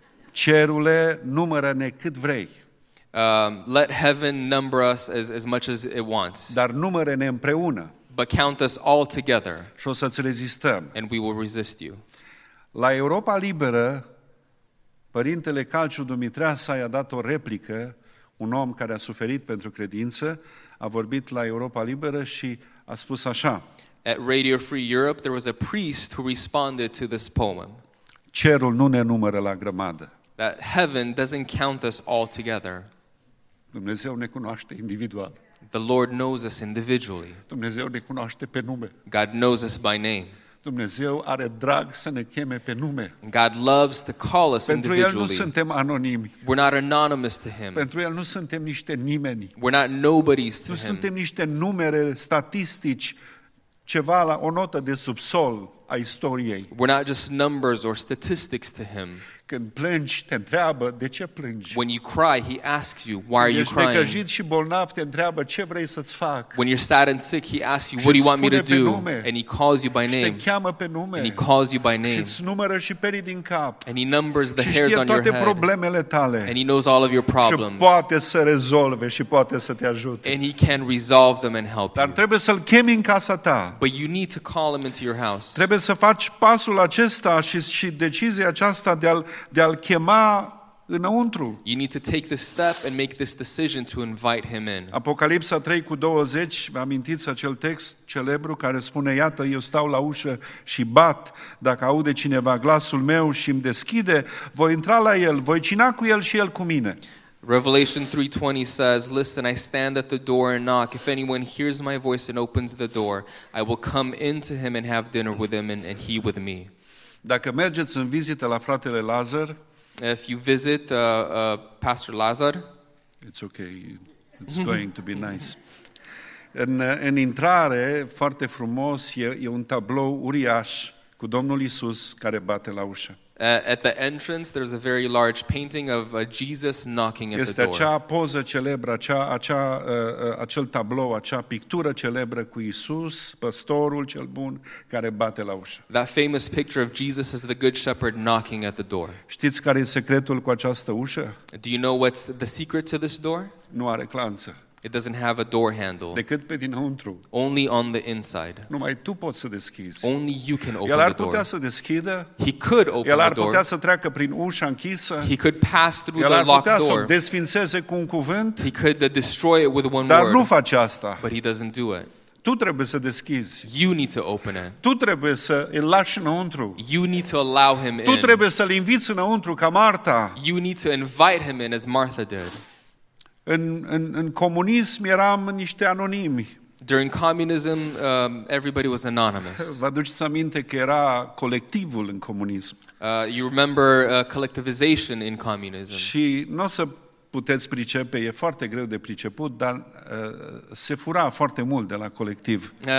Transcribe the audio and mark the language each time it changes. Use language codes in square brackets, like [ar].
[ro] Cerule, numără-ne cât vrei. [en] Let heaven number us as much as it wants. [ro] Dar numără-ne împreună. [en] But count us all together. [ro] Și o să-ți rezistăm. [en] And we will resist you. [ro] La Europa Liberă, Părintele Calciu Dumitreasa i-a dat o replică, un om care a suferit pentru credință, a vorbit la Europa Liberă și a spus așa. [en] At Radio Free Europe, there was a priest who responded to this poem. [ro] Cerul nu ne numără la grămadă. [en] That heaven doesn't count us all together. [ro] Dumnezeu ne cunoaște individual. [en] The Lord knows us individually. [ro] Dumnezeu ne cunoaște pe nume. [en] God knows us by name. [ro] Dumnezeu are drag să ne cheme pe nume. [en] God loves to call us [ro] Pentru [en] individually. [ro] Pentru El nu suntem anonimi. [en] We're not anonymous to Him. [ro] Pentru El nu suntem niște nimeni. [en] We're not nobodies to [ro] nu [en] Him. [ro] Nu suntem niște numere statistici, ceva la o notă de subsol a istoriei. [en] We're not just numbers or statistics to Him. [ro] Când plângi, te întreabă de ce plângi. [en] When you cry, He asks you, why are you crying? [ro] Când ești necăjit și bolnav, te întreabă ce vrei să-ți fac. [en] When you're sad and sick, He asks you, what do you want me to do? [ro] Nume. [en] And He calls you by name. [ro] Și te cheamă pe nume. [en] And He calls you by name. [ro] Și-ți numără și perii din cap. [en] And He numbers the hairs on your head. [ro] Și știe toate problemele tale. [en] And He knows all of your problems. [ro] Și poate să rezolve și poate să te ajute. [en] And He can resolve them and help you. [ro] Dar trebuie să-L chemi în casa ta. [en] But you need to call Him into your house. [ro] Trebuie să faci pasul acesta și decizia aceasta de a-l chema înăuntru. [en] You need to take this step and make this decision to invite him in. [ro] Apocalipsa 3:20, vă amintiți acel text celebru care spune: Iată, eu stau la ușă și bat. Dacă aude cineva glasul meu și îmi deschide, voi intra la el, voi cina cu el și el cu mine. [en] Revelation 3:20 says, Listen, I stand at the door and knock. If anyone hears my voice and opens the door, I will come into him and have dinner with him and he with me. [ro] Dacă mergeți în vizită la fratele Lazar, [en] if you visit Pastor Lazar, it's okay, it's going to be nice. [ro] În intrare, foarte frumos, e un tablou uriaș cu Domnul Iisus care bate la ușă. [en] At the entrance, there's a very large painting of Jesus knocking at the door. [ro] Este acea poză celebră, acel tablou, acea pictură celebră cu Iisus, păstorul cel bun, care bate la ușă. [en] That famous picture of Jesus as the good shepherd knocking at the door. [ro] Știți care e secretul cu această ușă? [en] Do you know what's the secret to this door? [ro] Nu are clanță. [en] It doesn't have a door handle. [ro] Decât pe dinăuntru. [en] Only on the inside. [ro] Numai tu poți să deschizi. [en] Only you can open the door. [ro] El ar putea să deschidă. [en] He could open the door. [ro] El ar putea să treacă prin ușa închisă. [en] He could pass through the locked door. [ro] El ar putea să o desfințeze cu un cuvânt. [en] He could destroy it with one word. [ro] Dar nu face asta. [en] But he doesn't do it. [ro] Tu trebuie să deschizi. [en] You need to open it. [ro] Tu trebuie să îl lași înăuntru. [en] You need to allow him in. [ro] Tu trebuie să-l inviți înăuntru ca Marta. [en] You need to invite him in as Martha did. [ro] În comunism eram niște anonimi. [en] During communism, everybody was anonymous. [ro] Vă aduceți aminte că era colectivul în comunism. [en] You remember collectivization in communism. [ro] Și n-o să puteți pricepe, e foarte greu de priceput, dar se fura foarte mult de la colectiv.